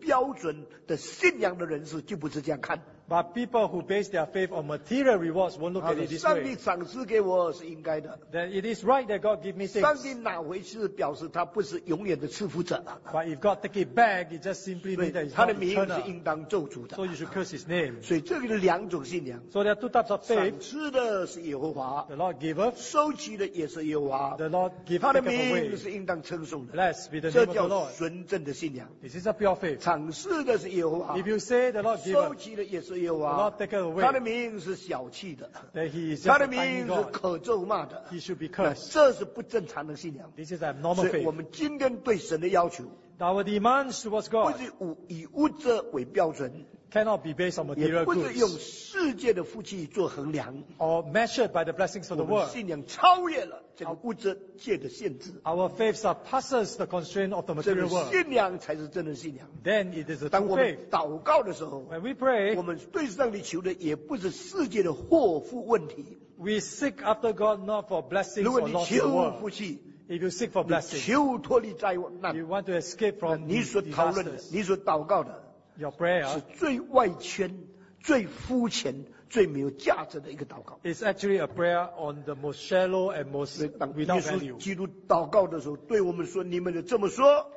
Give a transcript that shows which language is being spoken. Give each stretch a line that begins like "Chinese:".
Chinese: 这种以物质为上帝赐福的标准的信仰的人士就不是这样看。
English: But people who base their faith on material rewards won't look at it this way.
Chinese: 上帝赏赐给我是应该的。
English: That it is right that God give me things.
Chinese: 上帝拿回去表示他不是永远的赐福者。
English: But if God take it back, it just simply means that it's not eternal.
Chinese: 他的名是应当咒诅的。
English: So you should curse his name.
Chinese: 所以这里有两种信仰。
English: So there are two types of faith.
Chinese: 赏赐的是耶和华。
English: The Lord giver.
Chinese: 收取的也是耶和华。
English: The Lord give and take away.
Chinese: 他的名是应当称颂的。
English: Blessed be the name of the Lord.
Chinese: 这叫纯正的信仰。
English: This is a pure faith.
Chinese: 赏赐的是耶和华。
English: If you say the Lord giver.
Chinese: 收取的也是
English: Away,
Chinese: 他的名是小气的,
English: that he is
Chinese: 他的名是可咒骂的,
English: he should be cursed.
Chinese: 这是不正常的信仰。
English: This is abnormal faith.
Chinese: 所以我们今天对神的要求,
English: our demands towards God,
Chinese: 不是以物质为标准,
English: cannot be based on material goods,
Chinese: 也不是用世界的福气做衡量,
English: or measured by the blessings of the world.
Chinese: 我们信仰超越了 这个物质界的限制,
English: our faith surpasses the constraint of the material world.
Chinese: 这个信仰才是真的信仰。
English: Then it is a true faith.
Chinese: 当我们祷告的时候,
English: when we pray,
Chinese: 我们对上帝求的也不是世界的祸福问题。
English: We seek after God not for blessings or loss of the world. If you seek for blessings,
Chinese: 你求脱离灾难,
English: you want to escape from disasters,
Chinese: 你所祷告的,
English: your prayer,
Chinese: 是最外圈, 最肤浅, 最没有价值的一个祷告。
English: It's actually a prayer on the most shallow and most without value.
Chinese: 耶稣基督祷告的时候, 对我们说, 你们就这么说,